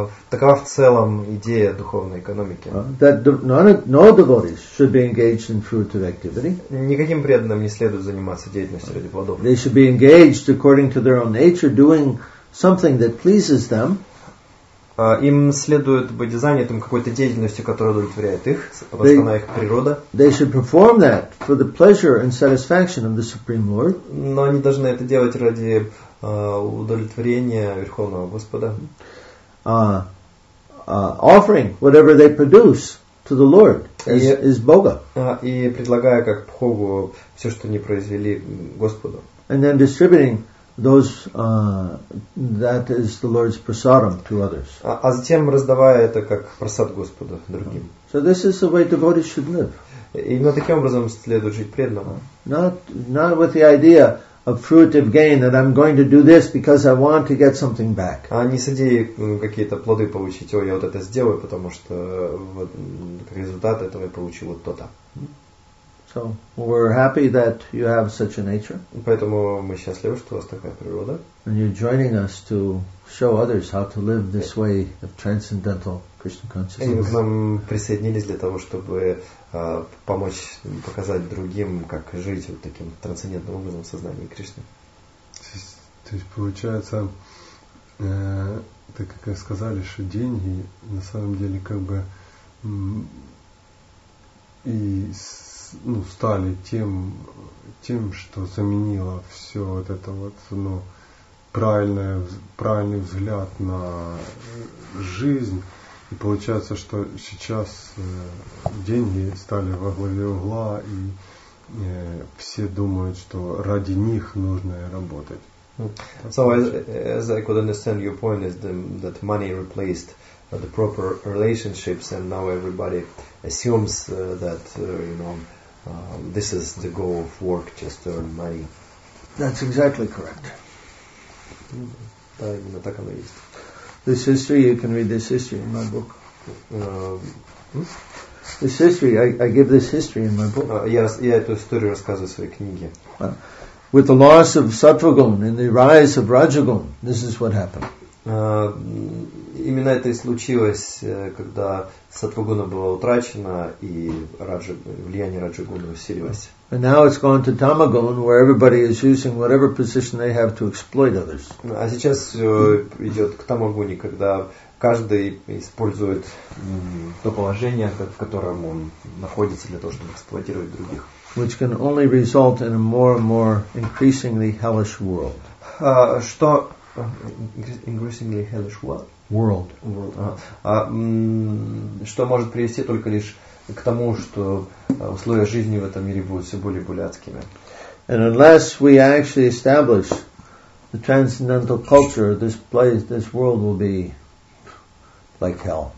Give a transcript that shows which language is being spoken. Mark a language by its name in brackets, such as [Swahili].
[Russian] Такова в целом идея духовной экономики. [English] That no devotees should be engaged in fruitive activity. [Russian] Никаким преданным не следует заниматься деятельностью ради плодов. [English] They should be engaged according to their own nature, doing something that pleases them. [Russian] Им следует быть занятым какой-то деятельностью, которая удовлетворяет их, потому что она их природа. [English] They should perform that for the pleasure and satisfaction of the Supreme Lord. [Russian] Но они должны это делать ради удовлетворения Верховного Господа. [English] Offering whatever they produce to the Lord is Бога. [Russian] И предлагая как бхогу все, что они произвели Господу. [English] And then distributing those that is the Lord's prasadam to others. [Russian] А затем раздавая это как просад Господа другим. [English] So this is the way devotees should live. [Russian] Именно таким образом следует жить преданному. [English] Not with the idea of fruitive gain that I'm going to do this because I want to get something back. [Russian] А не с идеей какие-то плоды получить, я вот это сделаю, потому что как результат этого я получу вот то-то. [English] So we're happy that you have such a nature. [Russian] Поэтому мы счастливы, что у вас такая природа. [English] And you're joining us to show others how to live this way of transcendental Krishna consciousness. [Russian] И мы к нам присоединились для того, чтобы помочь показать другим, как жить вот таким трансцендентным образом в сознании Кришны. То есть получается, так как вы сказали, что деньги на самом деле как бы и ну, стали тем, что заменило все вот это вот, ну, правильный взгляд на жизнь. И получается, что сейчас деньги стали во главе угла, и все думают, что ради них нужно работать. [English] So, as I could understand, your point is that money replaced the proper relationships, and now everybody assumes that, you know, this is the goal of work, just to earn money. That's exactly correct. [Russian] Да, именно так оно есть. [English] This history, you can read this history in my book. This history, I give this history in my book. [Russian] Я эту историю рассказываю в своей книге. [English] With the loss of Сатвагун and the rise of Раджагун, this is what happened. [Russian] Именно это и случилось, когда Сатвагуна была утрачена и влияние Раджагуна усилилось. [English] And now it's gone to Tamagun, where everybody is using whatever position they have to exploit others. [Russian] А сейчас все идет к Тамагуне, когда каждый использует то положение, в котором он находится для того, чтобы эксплуатировать других. [English] Which can only result in a more and more increasingly hellish world. [Russian] Что [English] increasingly hellish world. [Russian] Что может привести только лишь к тому, что условия жизни в этом мире будут все более и более адскими. [English] And unless we actually establish the transcendental culture, this place, this world will be like hell.